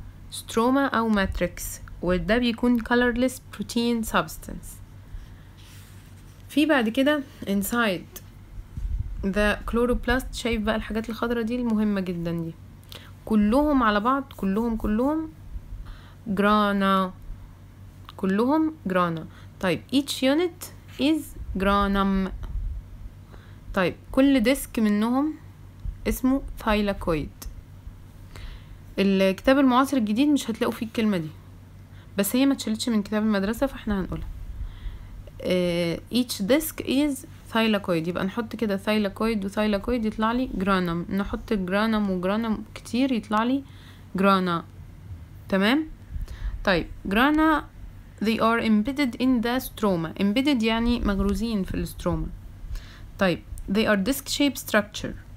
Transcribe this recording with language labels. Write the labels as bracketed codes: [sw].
[ar] ستروما او ماتريكس وده بيكون [en] colorless protein substance. [ar] في بعد كده [en] inside the chloroplast [ar] شايف بقى الحاجات الخضرة دي المهمة جدا دي كلهم على بعض كلهم grana. كلهم grana. [en] طيب each unit is granum. [ar] طيب كل ديسك منهم اسمه thylakoid. الكتاب المعاصر الجديد مش هتلاقوا فيه الكلمة دي بس هي ما تشلتش من كتاب المدرسة فاحنا هنقولها. [en] Each disc is thylakoid. [ar] يبقى نحط كده thylakoid و thylakoid يطلع لي granum. نحط granum و granum كتير يطلع لي grana. [en] تمام؟ طيب grana they are embedded in the stroma. [ar] embedded يعني مغروزين في الستروما. [en] طيب they are disc shaped structure.